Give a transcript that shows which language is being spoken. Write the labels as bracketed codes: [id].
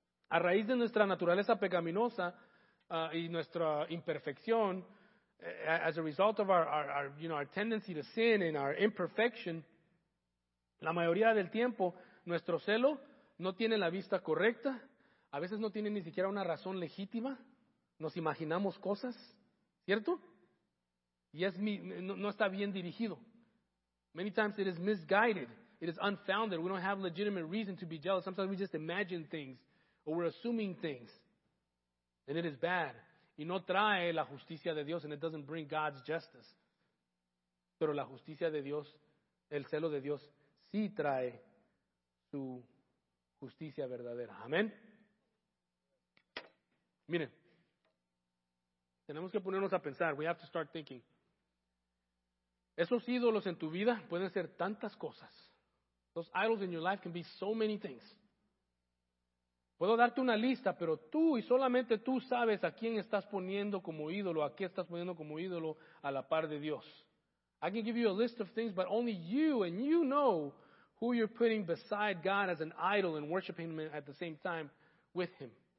[es] A raíz de nuestra naturaleza pecaminosa y nuestra imperfección, [en] as a result of our tendency to sin and our imperfection, [es] la mayoría del tiempo nuestro celo no tiene la vista correcta, a veces no tiene ni siquiera una razón legítima, nos imaginamos cosas, ¿cierto? Y no está bien dirigido. [en] Many times it is misguided, it is unfounded, we don't have legitimate reason to be jealous, sometimes we just imagine things. Or we're assuming things, and it is bad. [es] Y no trae la justicia de Dios, [en] and it doesn't bring God's justice. [es] Pero la justicia de Dios, el celo de Dios, sí trae su justicia verdadera. Amén. Miren, tenemos que ponernos a pensar. [en] We have to start thinking. [es] Esos ídolos en tu vida pueden ser tantas cosas. [en] Those idols in your life can be so many things. [es] Puedo darte una lista, pero tú y solamente tú sabes a quién estás poniendo como ídolo, a qué estás poniendo como ídolo a la par de Dios. [en] I can give you a list of things, but only you and you know who you're putting beside God as an idol and worshiping Him at the same time with Him.